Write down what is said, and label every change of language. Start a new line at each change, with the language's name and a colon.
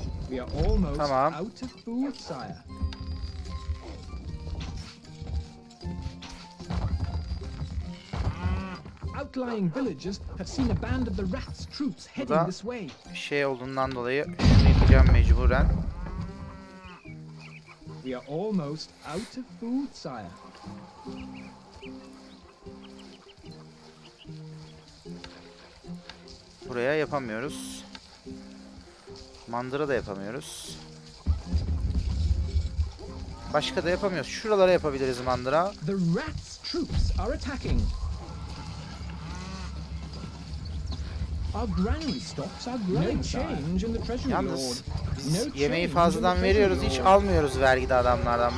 English: We are almost out of food, sire. Outlying villages have seen a band of the Wrath's troops heading this way.
Turkish: Şey olduğundan dolayı şunu yapacağım mecburen.
English: We are almost out of food, sire.
Turkish: Buraya yapamıyoruz. Mandıra da yapamıyoruz. Başka da yapamıyoruz. Şuralara yapabiliriz mandıra.
English: The Wrath's troops are attacking. Our granary stocks are growing. No change in the treasury.
Turkish: Yalnız biz yemeği fazladan veriyoruz, hiç almıyoruz vergi de adamlardan.